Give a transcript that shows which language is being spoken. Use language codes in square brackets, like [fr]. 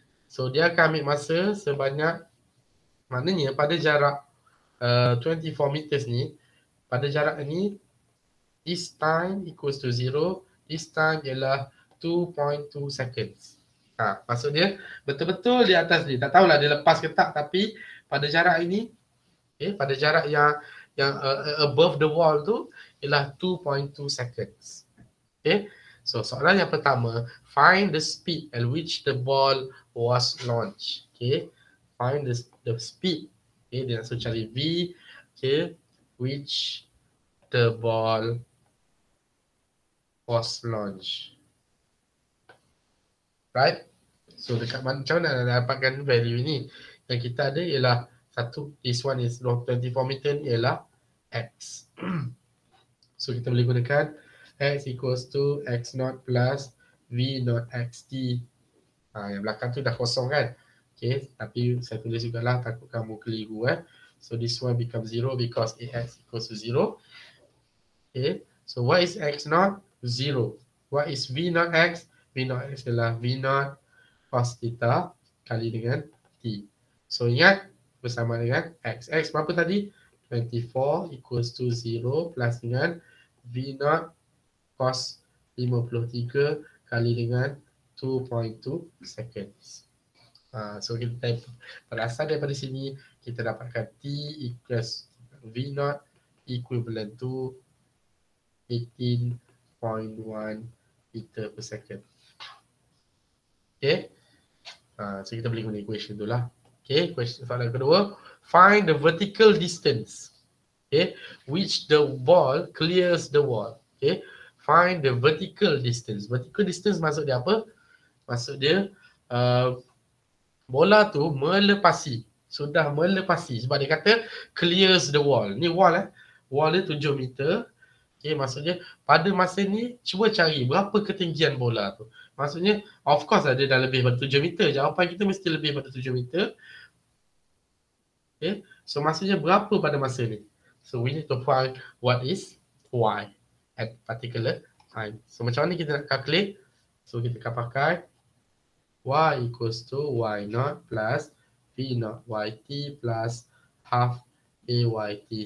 [ms] So dia akan ambil masa sebanyak, maknanya pada jarak 24 meters ni, pada jarak ni, [en] this time equals to zero, [ms] this time ialah 2.2 seconds. Ha, maksud dia betul-betul di atas ni. Tak tahulah dia lepas ke tak, tapi pada jarak ini, okay, pada jarak yang [en] above the wall [ms] tu ialah 2.2 seconds. [en] Okay. So [ms] soalan yang pertama, [en] find the speed at which the ball was launched. Okay. Find the speed. Okay, [ms] dia langsung cari V. [en] Okay. Which the ball was launched. [ms] Right? So dekat mana, macam mana nak dapatkan value ni? Yang kita ada ialah satu, [en] this one is 24 meter [ms] ni ialah X. [en] So [ms] kita boleh gunakan [en] X equals to X naught plus V naught XT. [ms] Ha, yang belakang tu dah kosong kan? Okay, tapi saya tulis juga lah, takut kamu keliru eh. [en] So this one becomes zero because AX equals to zero. Okay, so what is X naught? Zero. What is V naught X? [ms] V naught X ialah V naught cos theta kali dengan T. So ingat bersama dengan X. X berapa tadi? 24 equals to 0 plus dengan V naught cos 53 kali dengan 2.2 seconds. So kita berasal daripada sini, kita dapatkan T equals V naught equivalent to 18.1 meter per second. Okay. So kita boleh guna equation tu lah. Okay, question soalan kedua. [en] Find the vertical distance. Okay, which the ball clears the wall. Okay, find the vertical distance. [ms] Vertical distance maksud dia apa? Maksud dia bola tu melepasi. Sudah melepasi. Sebab dia kata [en] clears the wall. [ms] Ni wall eh. Wall dia 7 meter. Okay, maksudnya pada masa ni cuba cari berapa ketinggian bola tu. Maksudnya, of course lah dia dah lebih daripada 7 meter. Jawapan kita mesti lebih daripada 7 meter. Okay. So, maksudnya berapa pada masa ni? [en] So, we need to find what is y at particular time. [ms] So, macam mana kita nak calculate? So, kita akan pakai y equals to y naught plus v naught yt plus half ayt.